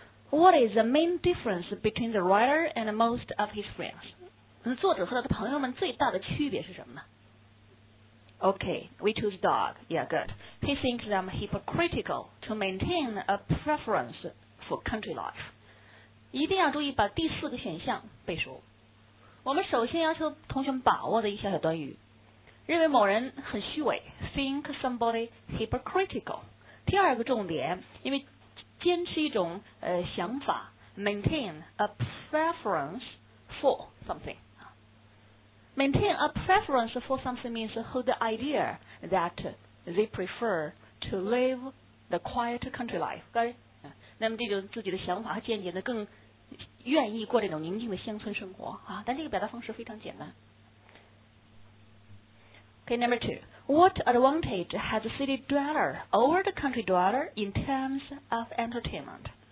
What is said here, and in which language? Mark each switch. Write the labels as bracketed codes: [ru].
[en] What is the main difference between the writer and most of his friends? [zh] 作者和他的朋友们最大的区别是什么呢? [en] Okay, we choose dog. Yeah, good. He thinks I'm hypocritical to maintain a preference for country life. [zh] 一定要注意把第四个选项背熟。我们首先要求同学们把握的一小小短语，认为某人很虚伪 ， [en] think somebody hypocritical。 [zh] 第二个重点，因为坚持一种想法 ， [en] maintain a preference for something。 Maintain a preference for something means hold the idea that they prefer to live the quiet country life。 Got it？ [zh] 那么这种自己的想法和见解呢更。愿意过这种宁静的乡村生活啊，但这个表达方式非常简单。 [en] Okay, number two, what advantage has a city dweller over the country dweller in terms of entertainment?